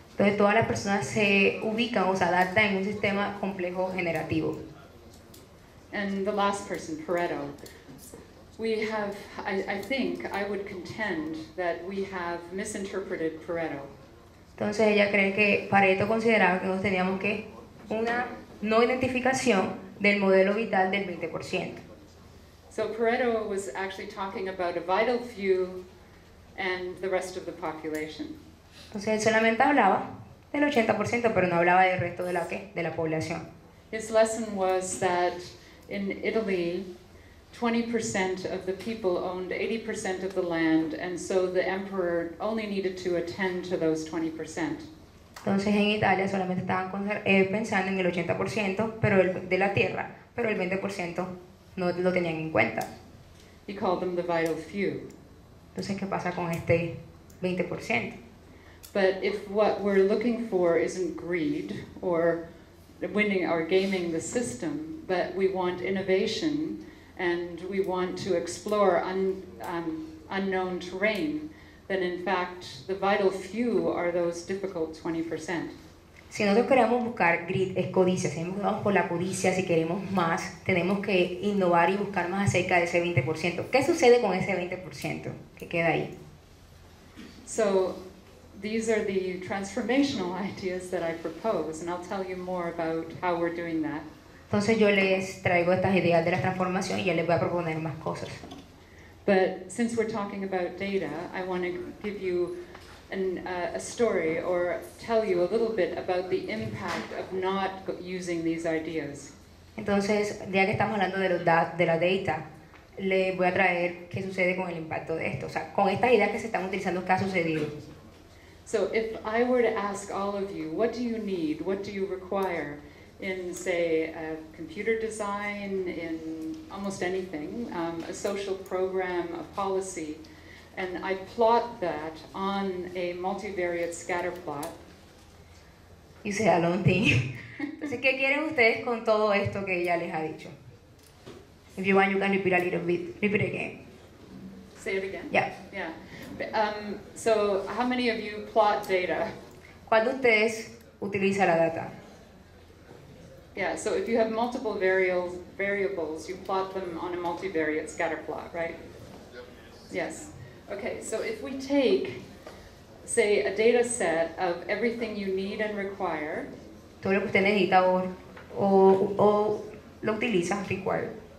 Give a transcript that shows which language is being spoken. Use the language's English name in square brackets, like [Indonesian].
[Spanish] Entonces todas las personas se ubican o se adaptan en un sistema complejo generativo. [English] And the last person, Pareto. We have, I think, I would contend that we have misinterpreted Pareto. [Spanish] Entonces ella cree que Pareto consideraba que nosotros teníamos que una no identificación del modelo vital del 20%. [English] So Pareto was actually talking about a vital few and the rest of the population. [Spanish] Entonces él solamente hablaba del 80%, pero no hablaba del resto de la ¿qué? De la población. [English] His lesson was that in Italy, 20% of the people owned 80% of the land, and so the emperor only needed to attend to those 20%. [Spanish] Entonces en Italia solamente estaban pensando en el 80% pero de la tierra, pero el 20% no lo tenían en cuenta. [English] He called them the vital few. [Spanish] Entonces, ¿qué pasa con este 20%? [English] But if what we're looking for isn't greed or winning or gaming the system, but we want innovation and we want to explore unknown terrain, then in fact the vital few are those difficult 20%. [Spanish] Si nosotros queremos buscar greed, es codicia, si vamos por la codicia, si queremos más, tenemos que innovar y buscar más acerca de ese 20%. ¿Qué sucede con ese 20% que queda ahí? [English] So, these are the transformational ideas that I propose, and I'll tell you more about how we're doing that. [Spanish] Entonces yo les traigo estas ideas de la transformación y ya les voy a proponer más cosas. [English] But since we're talking about data, I want to give you a story or tell you a little bit about the impact of not using these ideas. [Spanish] Entonces, ya que estamos hablando de los de la data, le voy a traer qué sucede con el impacto de esto, o sea, con estas ideas que se están utilizando, ¿qué ha sucedido? [English] So, if I were to ask all of you, what do you need? What do you require in, say, a computer design, in almost anything, a social program, a policy? And I plot that on a multivariate scatter plot. You say a long thing. [Spanish] Entonces, ¿qué quieren ustedes con todo esto que ella les ha dicho? [English] If you want, you can repeat a little bit. Repeat again. Say it again? Yeah. Yeah. So, how many of you plot data? [Spanish] ¿Cuál de ustedes utiliza la data? [English] Yeah, so if you have multiple variables, you plot them on a multivariate scatter plot, right? Yes. Okay, so if we take, say, a data set of everything you need and require. [Spanish] Todo lo que usted necesita o lo utiliza, require.